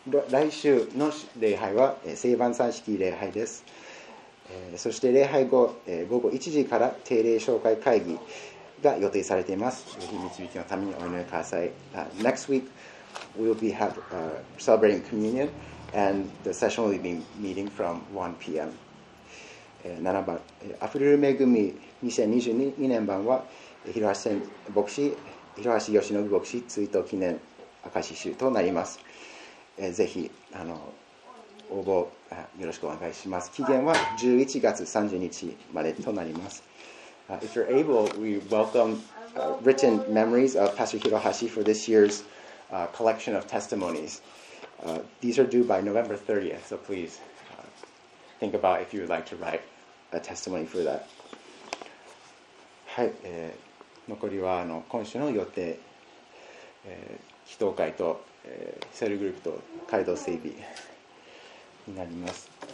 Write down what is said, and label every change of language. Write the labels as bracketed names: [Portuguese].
[Japanese] 来週の礼拝は、聖晩餐式礼拝です。そして礼拝後、午後1時から定例紹介会議が予定されています。ぜひ導きのためにお祈りください。 [English] Next week we'll be celebrating communion and the session will be meeting from 1 p.m. [Japanese] 7番、あふれる恵み2022年版は広橋義信牧師追悼記念証し集となります。ぜひ応募よろしくお願いします。期限は11月30日までとなります。 [English] If you're able, we welcome written memories of Pastor Hirohashi for this year's collection of testimonies. These are due by November 30th, so please think about if you would like to write a testimony for that. [Japanese] はい、残りは今週の予定、祈祷会と、セルグループと街道整備になります。